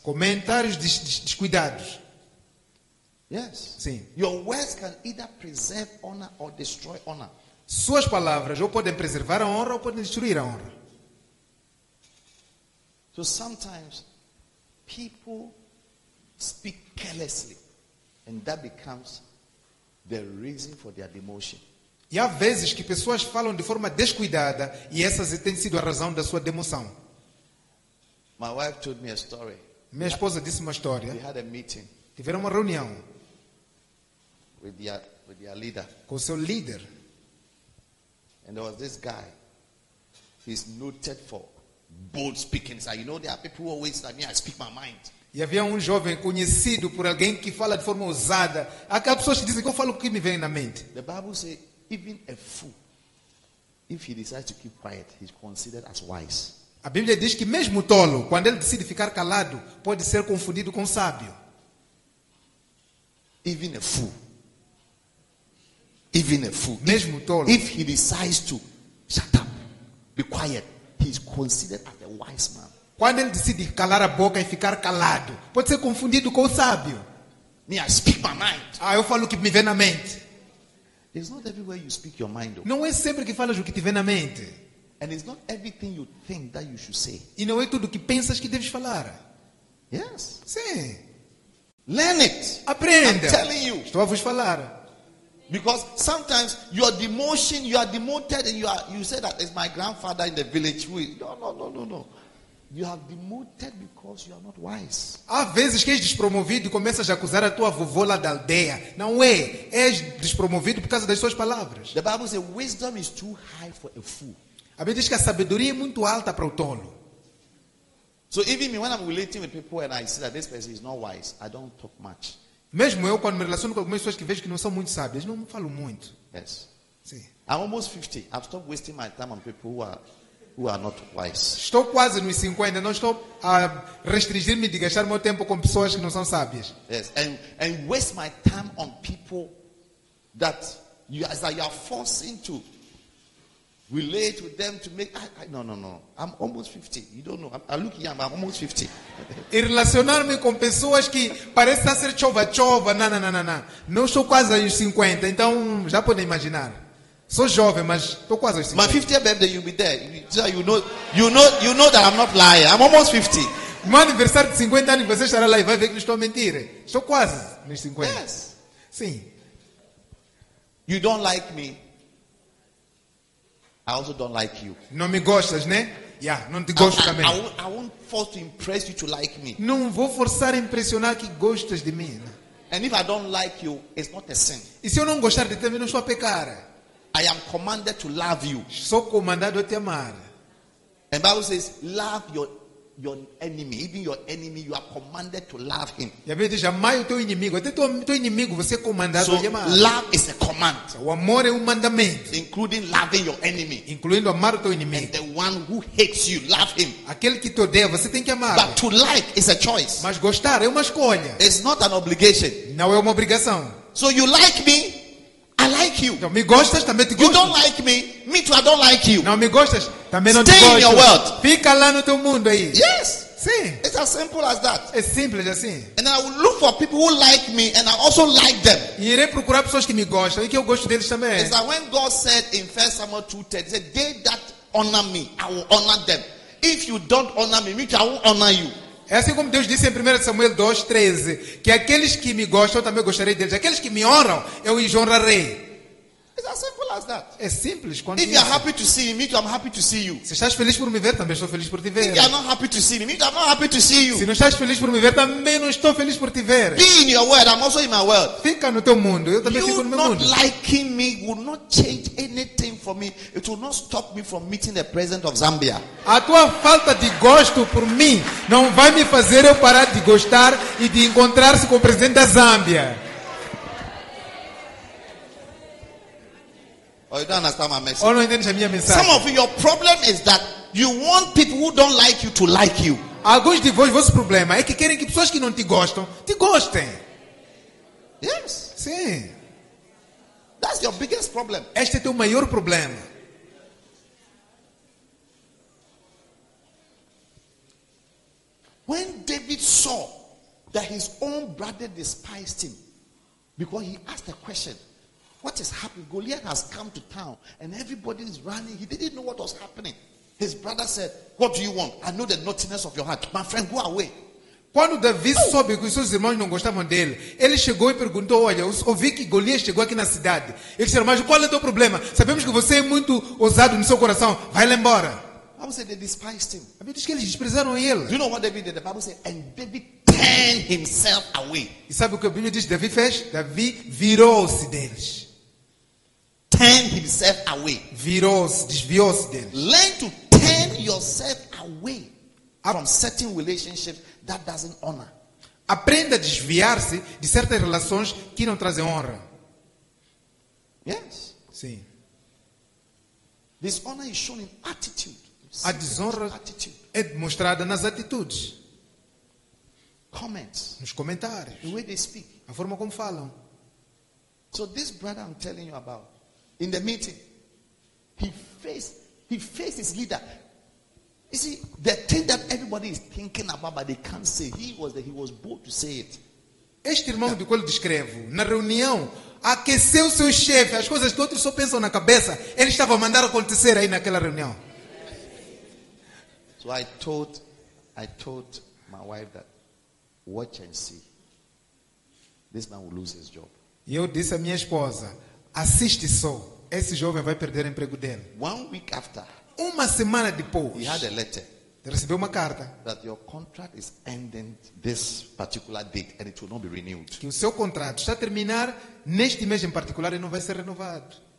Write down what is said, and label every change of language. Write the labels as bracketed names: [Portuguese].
[Portuguese] Comentários descuidados. [English] Yes. [Portuguese] Sim. [English] Your words can either preserve honor or destroy honor. [Portuguese] Suas palavras ou podem preservar a honra ou podem destruir a honra. [English] So sometimes people speak carelessly and that becomes the reason for their demotion. [Portuguese] E há vezes que pessoas falam de forma descuidada e essa tem sido a razão da sua demoção. [English] My wife told me a story. [Portuguese] Minha esposa disse uma história. [English] They had a meeting. [Portuguese] Tiveram uma reunião [English] with their leader. [Portuguese] Com seu líder. [English] And there was this guy. He's noted for bold speaking. So, you know, there are people who always like me, I speak my mind. [Portuguese] E havia jovem conhecido por alguém que fala de forma ousada. Há pessoas que dizem que eu falo o que me vem na mente. [English] The Bible says, even a fool, if he decides to keep quiet, he's considered as wise. [Portuguese] A Bíblia diz que mesmo tolo, quando ele decide ficar calado, pode ser confundido com sábio. [English] Even a fool. Even a fool. [Portuguese] Mesmo tolo. [English] If he decides to shut up, be quiet, he is considered as a wise man. [Portuguese] Quando ele decide calar a boca e ficar calado, pode ser confundido com o sábio. [English] Me, I speak my mind. [Portuguese] Ah, eu falo o que me vem na mente. [English] It's not everywhere you speak your mind, though. [Portuguese] Não é sempre que falas o que te vem na mente. [English] And it's not everything you think that you should say. [Portuguese] E não é tudo o que pensas que deves falar. [English] Yes. [Portuguese] Sim. [English] Learn it. [Portuguese] Aprenda. [English] I'm telling you. [Portuguese] Estou a vos falar. [English] Because sometimes your demotion, you are demoted and you say that it's my grandfather in the village who is. No. You have demoted because you are not wise. [Portuguese] Há vezes que és despromovido e começas a acusar a tua vovó lá da aldeia. Não é, és despromovido por causa das suas palavras. [English] The Bible says wisdom is too high for a fool. [Portuguese] A Bíblia diz que a sabedoria é muito alta para o tolo. [English] So even me, when I'm relating with people and I see that this person is not wise, I don't talk much. [Portuguese] Mesmo eu, quando me relaciono com algumas pessoas que vejo que não são muito sábias, não falo muito. [English] Yes. [Portuguese] Sim. [English] I'm almost 50. I've stopped wasting my time on people who are not wise. [Portuguese] Estou quase nos 50, não estou a restringir-me de gastar meu tempo com pessoas que não são sábias. [English] Yes. And waste my time on people that you are forcing to relate with them to make No. I'm almost 50. You don't know. I look young, but I'm almost 50. [Portuguese] E relacionar-me com pessoas que parecem ser chova. Não. Não estou quase aos 50, então já podem imaginar. Sou jovem, mas estou quase aos 50. [English] My 50th birthday, you'll be there. You know that I'm not lying. I'm almost 50. [Portuguese] No aniversário de 50 anos, você estará lá e vai ver que não estou a mentir. Estou quase nos 50. [English] Yes. [Portuguese] Sim. [English] You don't like me. I also don't like you. [Portuguese] Não me gostas, né? Yeah, não te gosto também. [English] I won't force to impress you to like me. [Portuguese] Não vou forçar a impressionar que gostas de mim. [English] And if I don't like you, it's not a sin. [Portuguese] E se eu não gostar de ti, não estou a pecar. [English] I am commanded to love you. [Portuguese] Sou comandado a te amar. [English] And Bible says, love your enemy, even your enemy, you are commanded to love him. [Portuguese] E a Bíblia diz, amai o teu inimigo. Até teu inimigo você é comandado a amar. [English] Love is a command. [Portuguese] O amor é mandamento. [English] Including loving your enemy. [Portuguese] Incluindo amar o teu inimigo. [English] And the one who hates you, love him. [Portuguese] Aquele que te odeia, você tem que amar. [English] But to like is a choice. [Portuguese] Mas gostar é uma escolha. [English] It's not an obligation. [Portuguese] Não é uma obrigação. [English] So you like me? I like you. [Portuguese] Então, me gostas, também te gosto. [English] You don't like me? Me too, I don't like you. [Portuguese] Não me gostas, também [English] stay [Portuguese] não te gosto. [English] Stay in your world. [Portuguese] Fica lá no teu mundo aí. [English] Yes. [Portuguese] Sim. [English] It's as simple as that. [Portuguese] É simples assim. [English] And I will look for people who like me and I also like them. [Portuguese] E irei procurar pessoas que me gostam e que eu gosto deles também. [English] It's like when God said in 1 Samuel 2:30, he said, they that honor me, I will honor them. If you don't honor me, me too, I won't honor you. [Portuguese] É assim como Deus disse em 1 Samuel 2:13, que aqueles que me gostam, eu também gostarei deles. Aqueles que me honram, eu os honrarei. [English] It's as simple as that. [Portuguese] É simples. [English] If you are happy to see me, I'm happy to see you. [Portuguese] Se estás feliz por me ver, também estou feliz por te ver. [English] If you are not happy to see me, I'm not happy to see you. [Portuguese] Se não estás feliz por me ver, também não estou feliz por te ver. [English] Be in your world, I'm also in my world. [Portuguese] Fica no teu mundo, eu também [English] you [Portuguese] fico no meu [English] not [Portuguese] mundo. [English] Liking me will not change anything for me. It will not stop me from meeting the president of Zambia. [Portuguese] A tua falta de gosto por mim não vai me fazer eu parar de gostar e de encontrar-se com o presidente da Zâmbia. [English] Or you don't understand my message. [Portuguese] Oh, no, entende a minha mensagem. [English] Some of you, your problem is that you want people who don't like you to like you. [Portuguese] Alguns de vós, vosso problema é que querem que pessoas que não te gostam te gostem. [English] Yes. [Portuguese] Sim. [English] That's your biggest problem. [Portuguese] Este é teu maior problema. [English] When David saw that his own brother despised him, because he asked a question. What is happening? Goliath has come to town and everybody is running. He didn't know what was happening. His brother said, what do you want? I know the naughtiness of your heart. My friend, go away. [Portuguese] Quando Davi soube que os seus irmãos não gostavam dele, ele chegou e perguntou, olha, ouvi que Goliath chegou aqui na cidade. Ele disse, mas qual é o teu problema? Sabemos que você é muito ousado no seu coração. Vai lá embora. A Bíblia diz que eles desprezaram ele. [English] Do you know what David did? The Bible said, and David turned himself away. [Portuguese] E sabe o que a Bíblia diz que Davi fez? Davi virou-se deles. [English] Turned himself away. [Portuguese] Virou-se, desviou-se deles. [English] Learn to turn yourself away from certain relationships that doesn't honor. [Portuguese] Aprenda a desviar-se de certas relações que não trazem honra. [English] Yes. [Portuguese] Sim. [English] This honor is shown in attitude. [Portuguese] A desonra é demonstrada nas atitudes. [English] Comments. [Portuguese] Nos comentários. [English] The way they speak. [Portuguese] A forma como falam. [English] So this brother I'm telling you about, in the meeting, he faced his leader. You see, the thing that everybody is thinking about, but they can't say, he was bold to say it. [Portuguese] Este irmão de qual eu descrevo, na reunião, aqueceu seu chefe. As coisas que outros só pensam na cabeça, ele estava a mandar acontecer aí naquela reunião. [English] So I told my wife that watch and see. This man will lose his job. [Portuguese] E eu disse à minha esposa, assiste só, esse jovem vai perder o emprego dele. [English] 1 week after, [Portuguese] uma semana depois, [English] he had a letter. [Portuguese] Ele recebeu uma carta [English] that your contract is ending this particular date and it will not be renewed. [Portuguese] Que o seu contrato está a terminar neste mês em particular e não vai ser renovado.